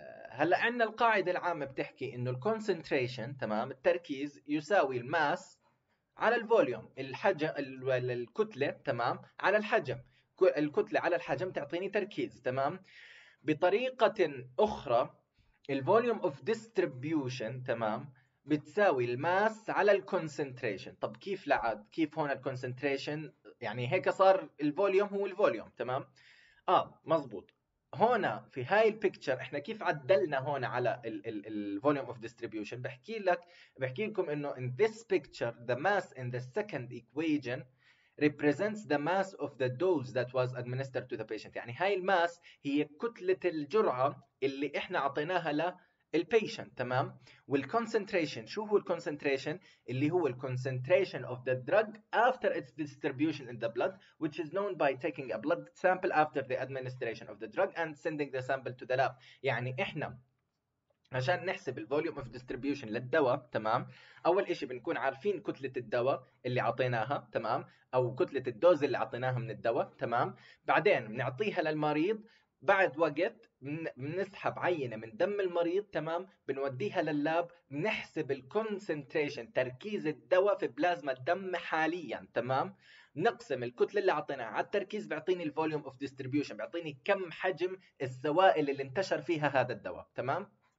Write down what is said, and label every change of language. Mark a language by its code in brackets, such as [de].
[ar] هلا عندنا القاعدة العامة بتحكي انه الكونسنتريشن، تمام، التركيز يساوي الماس على الفوليوم، الحجم الكتلة، تمام، على الحجم، الكتلة على الحجم تعطيني تركيز، تمام. بطريقة اخرى الفوليوم اوف ديستريبيوشن، تمام، بتساوي الماس على الكونسنتريشن. طب كيف لعد، كيف هون الكونسنتريشن يعني هيك صار الفوليوم هو الفوليوم، تمام. مظبوط، هنا في هاي البيكتشر احنا كيف عدلنا هون على الفوليوم اوف ديستريبيوشن، بحكي لكم انه [en] in this picture the mass in the second equation represents the mass of the dose that was administered to the patient. [ar] يعني هاي الماس هي كتلة الجرعة اللي احنا عطيناها للبيشنت، تمام. [en] والكونسنتريشن، [ar] شو هو الكونسنتريشن؟ اللي هو [en] الكونسنتريشن of the drug after its distribution in the blood, which is known by taking a blood sample after the administration of the drug and sending the sample to the lab. [ar] يعني احنا عشان نحسب الفوليوم اوف ديستريبيوشن للدواء، تمام، اول شيء بنكون عارفين كتله الدواء اللي عطيناها، تمام، او كتله الدوز اللي عطيناها من الدواء، تمام. بعدين بنعطيها للمريض، بعد وقت بنسحب عينة من دم المريض، تمام، بنوديها لللاب، بنحسب الكونسنتريشن، تركيز الدواء في بلازما الدم حاليا، تمام، نقسم الكتلة اللي عطيناها على التركيز بيعطيني الفوليوم اوف ديستريبيوشن، بيعطيني كم حجم السوائل اللي انتشر فيها هذا الدواء، تمام.